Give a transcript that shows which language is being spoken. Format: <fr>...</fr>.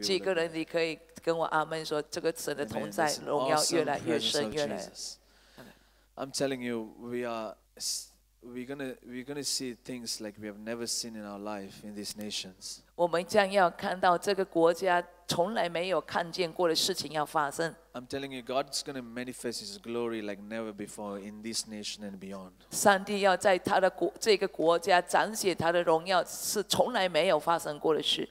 <zh>几个人你可以跟我阿门说，这个神的同在荣耀越来越深，越来越深。</zh> <en>I'm telling you, we're gonna see things like we have never seen in our life in these nations.</en> <zh>我们将要看到这个国家从来没有看见过的事情要发生。</zh> <en>I'm telling you, God's gonna manifest His glory like never before in this nation and beyond.</en> <zh>上帝要在他的国这个国家展现他的荣耀，是从来没有发生过的事。</zh>